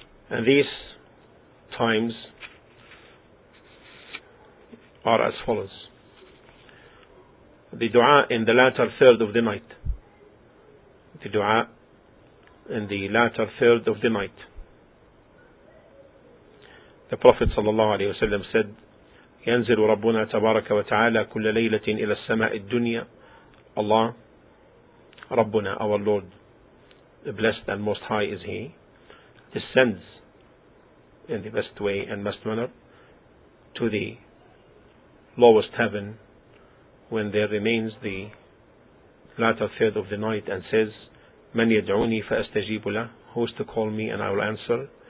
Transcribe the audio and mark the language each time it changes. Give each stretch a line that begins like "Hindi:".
English: And these times are as follows. The dua in the latter third of the night. The Prophet sallallahu alayhi wa sallam said,
Arabic: ينزل ربنا تبارك وتعالى كل ليلة إلى السماء الدنيا.
English: Allah,
Arabic: ربنا,
English: our Lord, the blessed and most high is He, descends in the best way and best manner to the lowest heaven when there remains the latter third of the night, and says,
Arabic: من يدعوني فأستجيب له.
English: Who is to call me and I will answer?